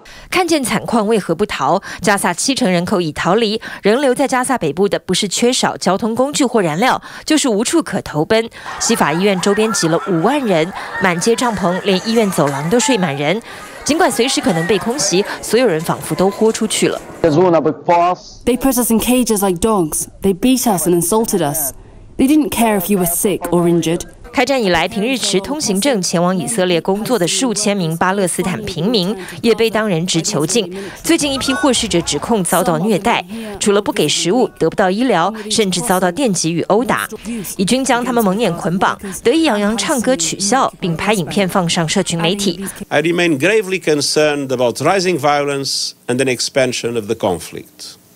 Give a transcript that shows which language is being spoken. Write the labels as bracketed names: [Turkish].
[Chinese] 看见惨况为何不逃？加萨70%人口已逃离，仍留在加萨北部的不是缺少交通工具或燃料，就是无处可投奔。西法医院周边挤了50,000人，满街帐篷，连医院走廊都睡满人。尽管随时可能被空袭，所有人仿佛都豁出去了。 [English] They put us in cages like dogs. They beat us and insulted us. They didn't care if you were sick or injured. [Chinese] 开战以来，平日持通行证前往以色列工作的数千名巴勒斯坦平民也被当人质囚禁。最近一批获释者指控遭到虐待，除了不给食物，得不到医疗，甚至遭到电击与殴打。以军将他们蒙眼捆绑，得意洋洋唱歌取笑，并拍影片放上社群媒体。 [English] I remain gravely concerned about rising violence and an expansion of the conflict.